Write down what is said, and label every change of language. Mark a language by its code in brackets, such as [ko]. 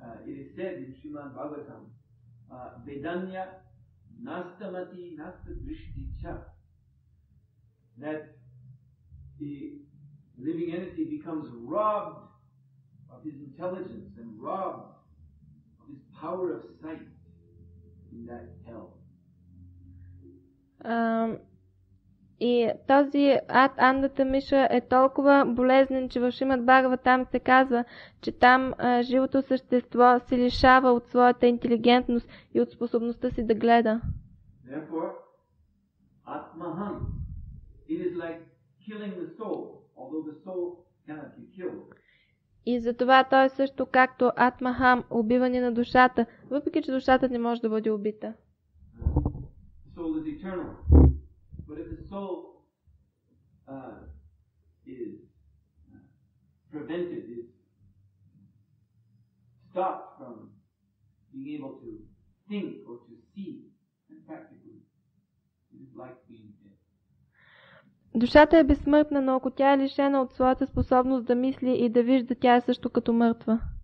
[en] It is said in Shrimad Bhagavatam, Vedanya Nastamati Nastadrishticha, that the living entity becomes robbed of his intelligence and robbed of his power of sight in that hell. [bg] И този ад Андатамиша е толкова болезнен, че в Шримад Бхагаватам се казва, че там живото същество се лишава от своята интелигентност и от способността си да гледа. [en] Therefore, Atmaham, it is like killing the soul, although the soul cannot be killed. [bg] И затова той е също както Атмахам, убиване на душата, въпреки че душата не може да бъде убита. [en] The soul is eternal. But if the soul is prevented, is stopped from being able to think or to see, then practically it is like being dead. [bg] Душата е безсмъртна, но ако тя е лишена от своята способност да мисли и да вижда, тя е също като мъртва.